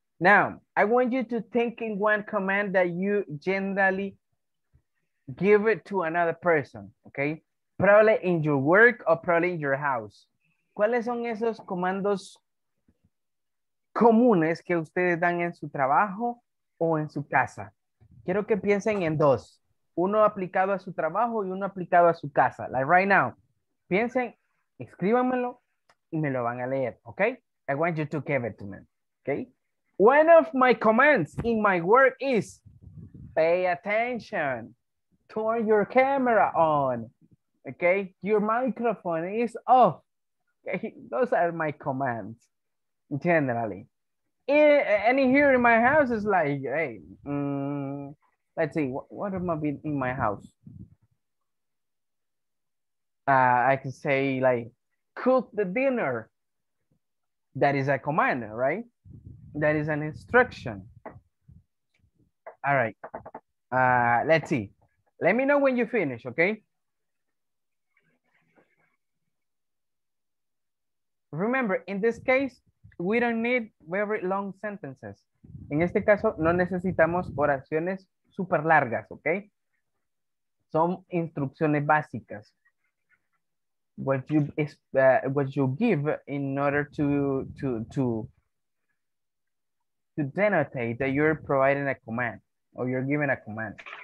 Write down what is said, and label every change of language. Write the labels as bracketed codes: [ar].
[en] Now, I want you to think in one command that you generally give it to another person. Okay, probably in your work or probably in your house. [es] ¿Cuáles son esos comandos comunes que ustedes dan en su trabajo o en su casa? Quiero que piensen en dos. Uno aplicado a su trabajo y uno aplicado a su casa. [en] Like right now. [es] Piensen, escríbanmelo y me lo van a leer. Okay? [en] I want you to give it to me. Okay? One of my commands in my work is pay attention. Turn your camera on. Okay? Your microphone is off. Okay? Those are my commands. Generally, and here in my house is like, hey, let's see, what am I being in my house? I can say like, cook the dinner. That is a command, right? That is an instruction. All right, let's see. Let me know when you finish, okay? Remember, in this case, we don't need very long sentences. [es] En este caso, no necesitamos oraciones super largas, ¿ok? Son instrucciones básicas. [en] What you give in order to denotate that you're providing a command or you're giving a command.